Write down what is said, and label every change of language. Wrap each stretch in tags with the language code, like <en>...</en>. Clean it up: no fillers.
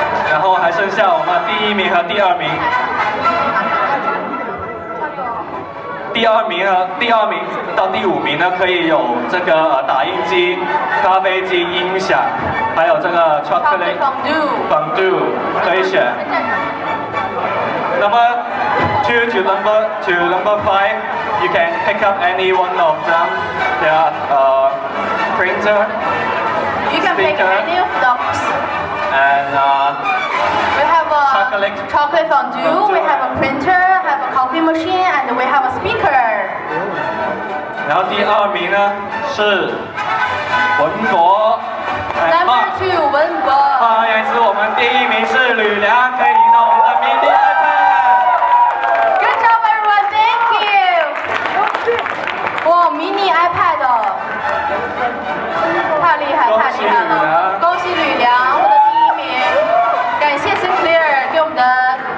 <zh>然后还剩下我们第一名和第二名。第二名到第五名呢，可以有这个打印机、咖啡机、音响，还有这个巧克力</zh> <en>fondue</en> <zh>可以选。</zh> <en>Number two to number five, you can pick up any one of them. They are printer. You can pick any of those. And we have a chocolate fondue. We have a printer. Coffee machine and we have a speaker.</en> <zh>然后第二名呢是文博。</zh> <en>Number two, 文博。</en> <zh>不好意思，我们第一名是吕梁，可以赢到我们的名第二名。</zh> <en>Good job, everyone. Thank you.</en> <zh>哇 ，mini iPad， 太厉害，太厉害了！恭喜吕梁获得第一名，感谢 Sinclair 给我们的。</zh>